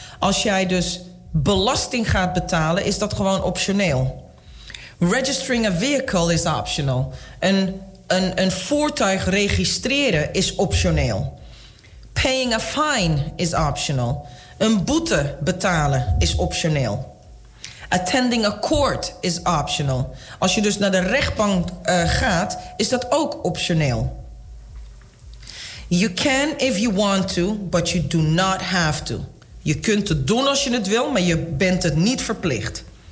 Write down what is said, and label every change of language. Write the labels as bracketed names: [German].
[Dutch] Als jij dus belasting gaat betalen, is dat gewoon optioneel. [English] Registering a vehicle is optional. [Dutch] Een voertuig registreren is optioneel. [English] Paying a fine is optional. [Dutch] Een boete betalen is optioneel. [English] Attending a court is optional. [Dutch] Als je dus naar de rechtbank gaat, is dat ook optioneel. [English] You can if you want to, but you do not have to. [Dutch] Je kunt het doen als je het wil, maar je bent het niet verplicht.